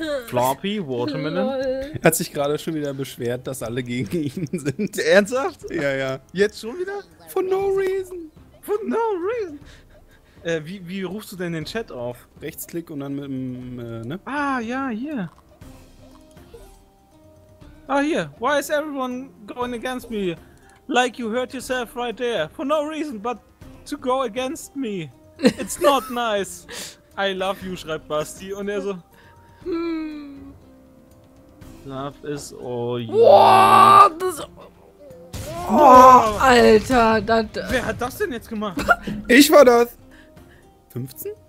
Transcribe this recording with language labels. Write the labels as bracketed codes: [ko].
[en] Floppy Watermelon. Lol. [de] Er hat sich gerade schon wieder beschwert, dass alle gegen ihn sind. Ernsthaft? Ja, ja. Jetzt schon wieder? [en] For no reason. For no reason. [de] Wie rufst du denn den Chat auf? Rechtsklick und dann mit dem, ne? Ah, ja, hier. Ah, hier. [en] Why is everyone going against me? Like you hurt yourself right there. For no reason, but to go against me. It's not nice. I love you, [de] schreibt [en] Basti. [de] Und er so... [en] Love is all you. [de] Wow, das... Oh, Alter, wer hat das denn jetzt gemacht? Ich war das. 15?